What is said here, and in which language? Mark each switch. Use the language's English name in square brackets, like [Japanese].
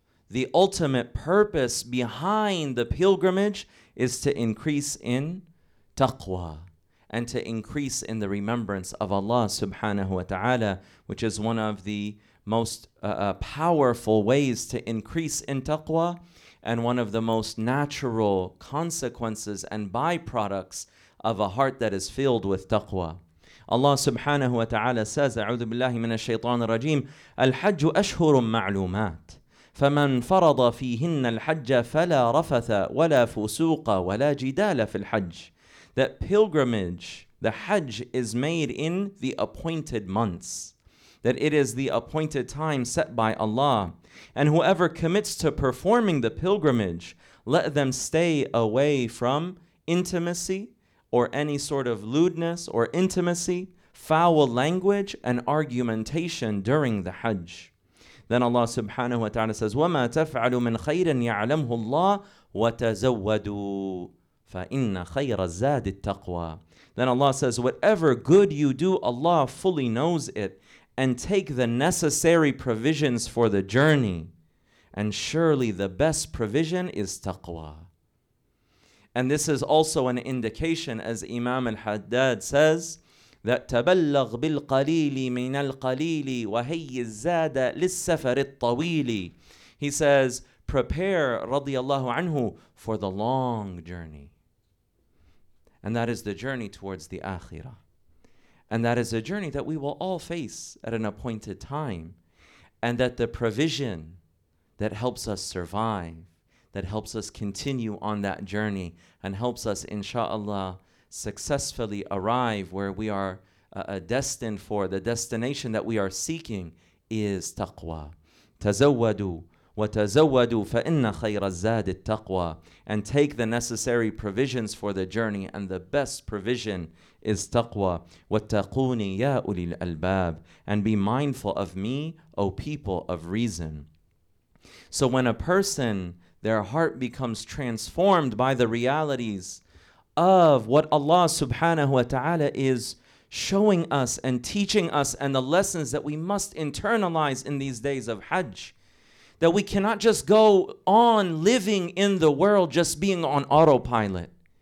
[English] the ultimate purpose behind the pilgrimage is to increase in taqwa, and to increase in the remembrance of Allah subhanahu wa ta'ala, which is one of the most powerful ways to increase in taqwa, and one of the most natural consequences and byproducts of a heart that is filled with taqwa. Allah subhanahu wa ta'ala says, [Arabic] أعوذ بالله من الشيطان الرجيم الحج أشهر معلومات فمن فرض فيهن الحج فلا رفث ولا فسوق ولا جدال في الحج. [English] That pilgrimage, the Hajj, is made in the appointed months. That it is the appointed time set by Allah. And whoever commits to performing the pilgrimage, let them stay away from intimacy or any sort of lewdness or intimacy, foul language, and argumentation during the Hajj. Then Allah subhanahu wa ta'ala says, [Arabic] وَمَا تَفْعَلُ مِنْ خَيْرٍ يَعْلَمْهُ اللَّهُ وَتَزَوَّدُوا فَإِنَّ خَيْرَ الزَّادِ التَّقْوَى. [English] Then Allah says, whatever good you do, Allah fully knows it, and take the necessary provisions for the journey, and surely the best provision is taqwa. And this is also an indication, as Imam al-Haddad says, [Arabic] that تبلغ بالقليل من القليل وهي الزاد للسفر الطويل. [English] He says, prepare, [Arabic] رضي الله عنه, [English] for the long journey. And that is the journey towards the Akhirah. And that is a journey that we will all face at an appointed time. And that the provision that helps us survive, that helps us continue on that journey, and helps us, inshallah, successfully arrive where we are destined for, the destination that we are seeking, is taqwa. [Arabic] تزودوا وتزودوا فإن خير الزاد التقوى. [English] And take the necessary provisions for the journey, and the best provision is taqwa. [Arabic] واتقوني يا أولي الألباب. [English] And be mindful of me, O people of reason. So when a person, their heart becomes transformed by the realities of what Allah subhanahu wa ta'ala is showing us and teaching us, and the lessons that we must internalize in these days of Hajj, that we cannot just go on living in the world just being on autopilot.